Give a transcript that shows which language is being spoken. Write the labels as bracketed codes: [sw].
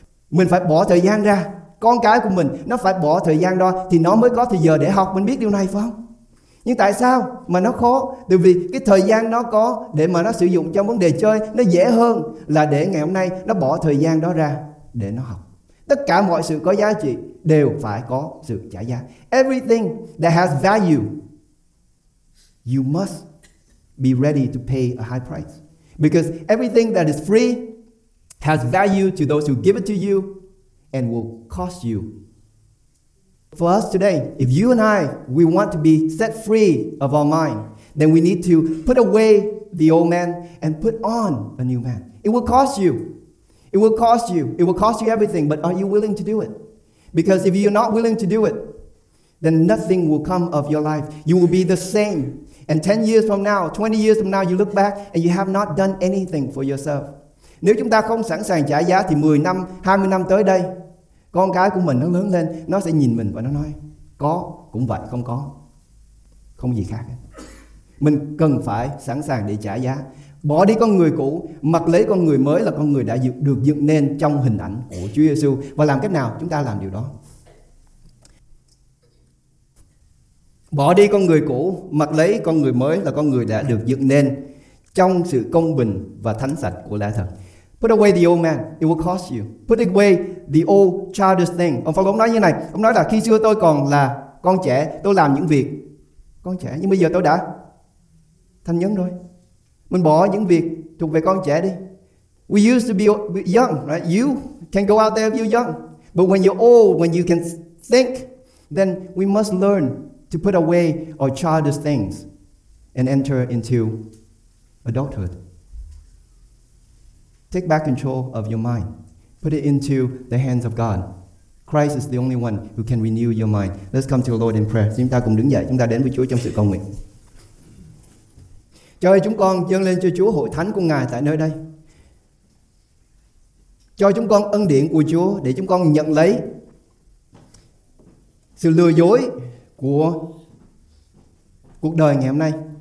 [vi] Mình phải bỏ thời gian ra. Con cái của mình nó phải bỏ thời gian đó thì nó mới có thời giờ để học. Mình biết điều này phải không? Nhưng tại sao mà nó khó? Từ vì cái thời gian nó có để mà nó sử dụng trong vấn đề chơi, nó dễ hơn là để ngày hôm nay nó bỏ thời gian đó ra để nó học. Tất cả mọi sự có giá trị đều phải có sự trả giá. [en] Everything that has value, you must be ready to pay a high price. Because everything that is free has value to those who give it to you and will cost you. For us today, if you and I, we want to be set free of our mind, then we need to put away the old man and put on a new man. It will cost you. It will cost you. It will cost you everything, but are you willing to do it? Because if you're not willing to do it, then nothing will come of your life. You will be the same. And 10 years from now, 20 years from now, you look back and you have not done anything for yourself. [vi] Nếu chúng ta không sẵn sàng trả giá thì 10 năm, 20 năm tới đây, con cái của mình nó lớn lên, nó sẽ nhìn mình và nó nói, có cũng vậy, không có, không gì khác. Mình cần phải sẵn sàng để trả giá. Bỏ đi con người cũ, mặc lấy con người mới, là con người đã được dựng nên trong hình ảnh của Chúa Giê-xu. Và làm cách nào chúng ta làm điều đó? Bỏ đi con người cũ, mặc lấy con người mới, là con người đã được dựng nên trong sự công bình và thánh sạch của lẽ thật. [en] Put away the old man, it will cost you. Put away the old childish thing. [vi] Ông Phaolô nói như này, ông nói là khi xưa tôi còn là con trẻ, tôi làm những việc con trẻ, nhưng bây giờ tôi đã thành nhân rồi. Mình bỏ những việc thuộc về con trẻ đi. [en] We used to be young, right? You can go out there if you're young. But when you're old, when you can think, then we must learn to put away our childish things and enter into adulthood. Take back control of your mind. Put it into the hands of God. Christ is the only one who can renew your mind. Let's come to the Lord in prayer. [vi] Chúng ta cùng đứng dậy, chúng ta đến với Chúa trong sự cầu nguyện. Cho chúng con dâng lên cho Chúa hội thánh của Ngài tại nơi đây. Cho chúng con ân điển của Chúa để chúng con nhận lấy sự lừa dối của cuộc đời ngày hôm nay.